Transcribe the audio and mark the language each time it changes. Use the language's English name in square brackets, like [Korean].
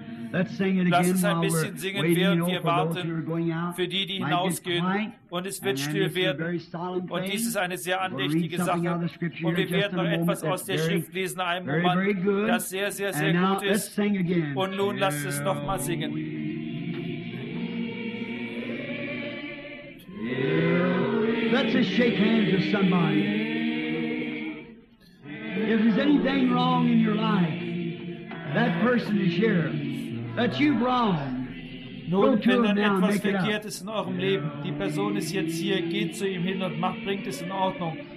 [German] Lass uns ein bisschen singen, während wir warten, für die, die hinausgehen, und es wird still werden. Und dies ist eine sehr andächtige Sache. Und wir werden noch etwas aus der Schrift lesen, einem Moment, das sehr, sehr, sehr gut ist. Und nun lasst es noch mal singen. [English] Let's just shake hands with somebody. If there's anything wrong in your life, that person is here. that you've wronged. [German] Nur wenn dann etwas verkehrt ist in eurem Leben, die Person ist jetzt hier, geht zu ihm hin und macht, bringt es in Ordnung.